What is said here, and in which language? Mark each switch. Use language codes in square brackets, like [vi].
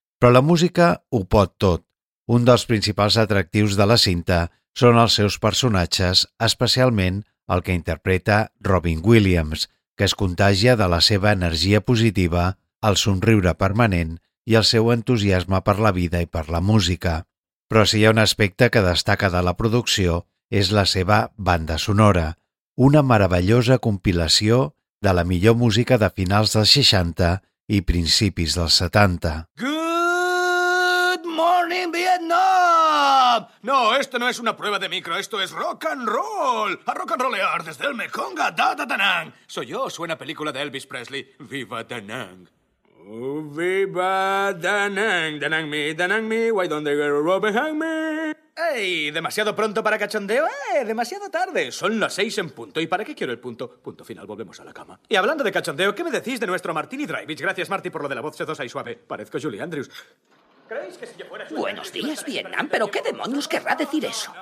[ca] Però la música ho pot tot. Un dels principals atractius de la cinta són els seus personatges, especialment el que interpreta Robin Williams, que es contagia de la seva energia positiva, el somriure permanent i el seu entusiasme per la vida i per la música. Però si hi ha un aspecte que destaca de la producció és la seva banda sonora, una meravellosa compilació de la millor música de finals dels 60 i principis dels 70. [en] Good morning, Vietnam! [es] No, esto no es una prueba de micro, esto es rock and roll. A rock and rollear desde el Mekong a Da-da-da-nang. Soy yo, suena película de Elvis Presley. Viva Da-nang. Oh, viva Da-nang. [en] Da-nang me, why don't they go rope behind me? ¡Ey! [es] ¿Demasiado pronto para cachondeo? ¡Demasiado tarde! Son las 6 en punto. ¿Y para qué quiero el punto? Punto final, volvemos a la cama. Y hablando de cachondeo, ¿qué me decís de nuestro Martini Drivich? Gracias, Marty, por lo de la voz sedosa y suave. Parezco Julie Andrews. ¿Creéis que si yo fuera... Buenos días, Vietnam. ¿Pero qué demonios querrá decir eso?